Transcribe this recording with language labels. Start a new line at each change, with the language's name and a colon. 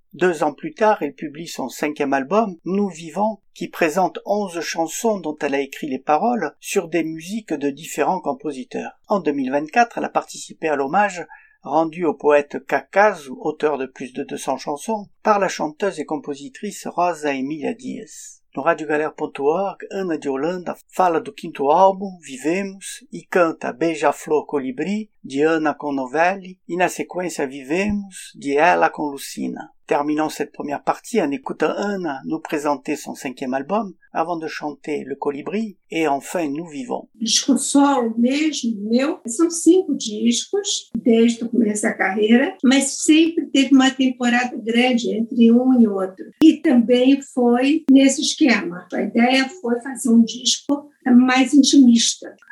French: 2 ans plus tard, elle publie son 5e album, Nous Vivons, qui présente 11 chansons dont elle a écrit les paroles sur des musiques de différents compositeurs. En 2024, elle a participé à l'hommage rendu au poète Cacazzo, auteur de plus de 200 chansons, par la chanteuse et compositrice Rosa Emília Dias.
Portuguese: No radiogalera.org, Ana de Holanda fala do quinto álbum, Vivemos, e canta Beija-Flor Colibri, de Ana com Novelli, e na sequência Vivemos, de Ela com Lucina.
French: Terminons cette première partie en écoutant Ana nous présenter son cinquième album, avant de chanter Le Colibri, et enfin Nous Vivons.
Portuguese: Disco solo mesmo, meu, são cinco discos, desde o começo da carreira, mas sempre teve uma temporada grande entre um e outro. E também foi nesse esquema. A ideia foi fazer um disco mais intimista.